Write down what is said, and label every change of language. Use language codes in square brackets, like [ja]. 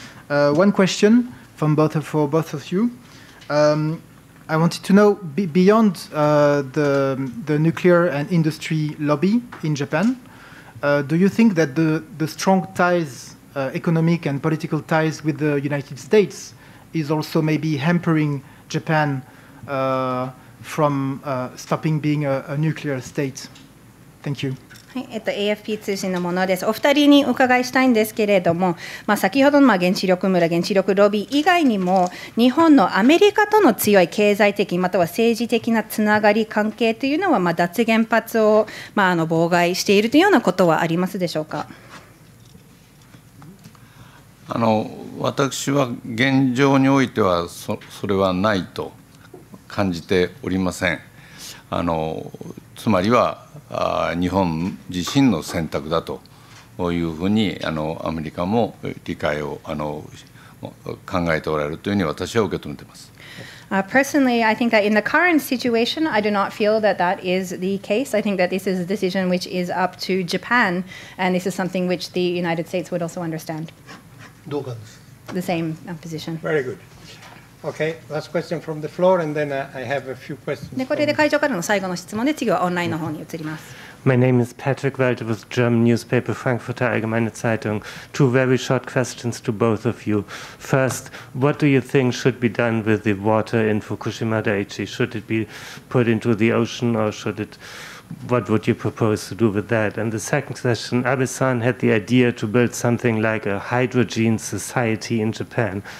[en] One question from both of, for both of you. I wanted to know, beyond the nuclear and industry lobby in Japan, do you think that the strong ties, economic and political ties with the United States, is also maybe hampering Japan from stopping being a nuclear state? Thank you. [ja] AFP 通信のものです。お二人にお伺いしたいんですけれども、まあ、先ほどの原子力村原子力ロビー以外にも日本のアメリカとの強い経済的または政治的なつながり関係というのは、まあ、脱原発を、まあ、あの妨害しているというようなことはありますでしょうか。あの私は現状においてはそれはないと感じておりません。あのつまりは日本自身の選択だというふうにあのアメリカも理解をあの考えておられるというふうに私は受け止めています。 [en] Personally, I think that in the current situation, I do not feel that that is the case. I think that this is a decision which is up to Japan, and this is something which the United States would also understand. [ja] どうかです。 [en] The same position. Very good. Okay, last question from the floor, and then I have a few questions. [ja] で、これで会場からの最後の質問で、次はオンラインの方に移ります。 [en] My name is Patrick Walter with German newspaper Frankfurter Allgemeine Zeitung. Two very short questions to both of you. First, what do you think should be done with the water in Fukushima Daiichi? Should it be put into the ocean, or should it... What would you propose to do with that? And the second question, Abe-san had the idea to build something like a hydrogen society in Japan.